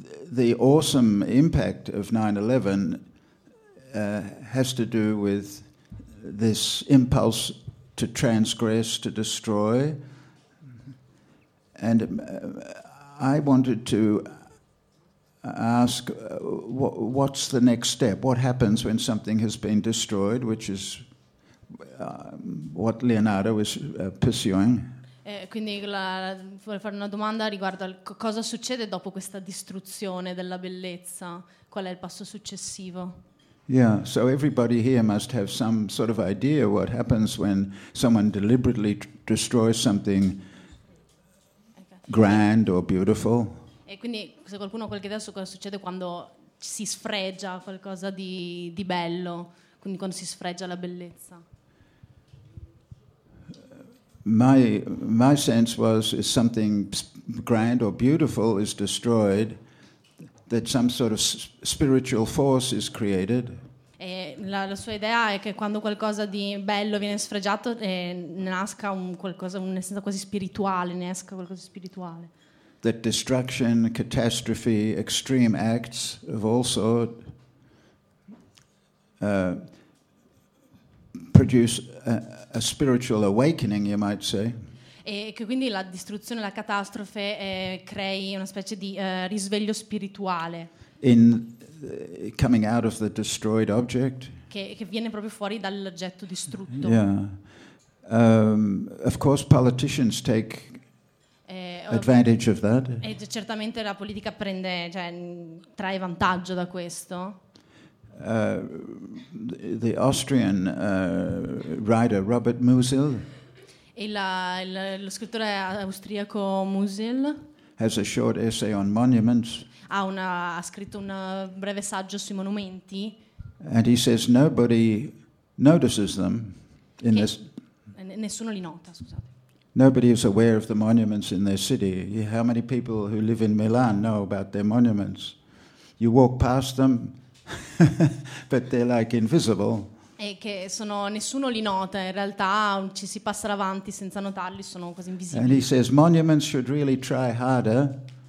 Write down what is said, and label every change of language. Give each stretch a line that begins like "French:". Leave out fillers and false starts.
English: The awesome impact of 9/11 has to do with this impulse to transgress, to destroy. And I wanted to ask, what's the next step? What happens when something has been destroyed, which is what Leonardo was pursuing?
Italian: Quindi vorrei fare una domanda riguardo al cosa succede dopo questa distruzione della bellezza, qual è il passo successivo?
English: Yeah, so everybody here must have some sort of idea what happens when someone deliberately destroys something grand or beautiful.
Italian: E quindi se qualcuno ha qualche idea su cosa succede quando si sfregia qualcosa di bello, quindi quando si sfregia la bellezza.
English: My sense was if something grand or beautiful is destroyed, that some sort of spiritual force is created.
Italian: E la sua idea è che quando qualcosa di bello viene sfregiato nasca un qualcosa, un'essenza quasi spirituale, ne esca qualcosa di spirituale.
English: That destruction, catastrophe, extreme acts of all sort produce a spiritual awakening, you might say.
Italian: E che quindi la distruzione, la catastrofe crei una specie di risveglio spirituale.
English: In coming out of the destroyed object.
Italian: Che viene proprio fuori dall'oggetto distrutto.
English: Yeah. Of course, politicians take advantage of that.
Italian: E certamente la politica prende, cioè trae vantaggio da questo.
English: The Austrian writer Robert Musil.
Italian: Lo scrittore austriaco Musil.
English: Has a short essay on monuments.
Italian: Ha scritto un breve saggio sui monumenti.
English: And he says nobody notices them in this.
Italian: Nessuno li nota, scusate.
English: Nobody is aware of the monuments in their city. How many people who live in Milan know about their monuments? You walk past them, but they're like invisible.
Italian: E che sono, nessuno li nota, in realtà ci si passa avanti senza notarli, sono quasi invisibili.
English: And he says monuments should really try harder.